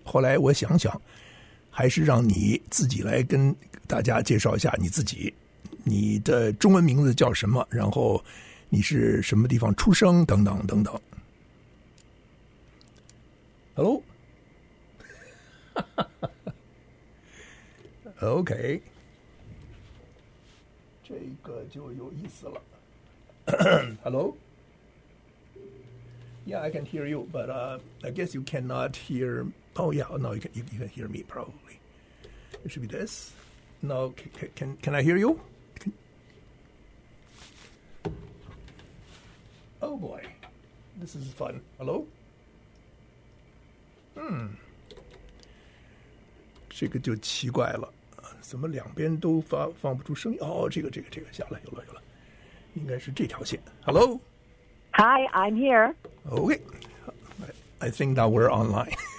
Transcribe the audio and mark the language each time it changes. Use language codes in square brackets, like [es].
[zh] 后来我想想，还是让你自己来跟大家介绍一下你自己，你的中文名字叫什么，然后你是什么地方出生，等等等等。 Hello， 哈哈哈哈 ，OK， 这个就有意思了。 [en] Hello，Yeah，I can hear you，but I guess you cannot hear. Oh yeah，no， you can hear me probably. It should be this. No， can I hear you？ Oh boy, this is fun. Hello? This is just [zh] 奇怪了，怎么两边都放不出声音？哦，这个，下来，有了，应该是这条线。 [en] Hello? Hi, I'm here. Okay, I think that we're online.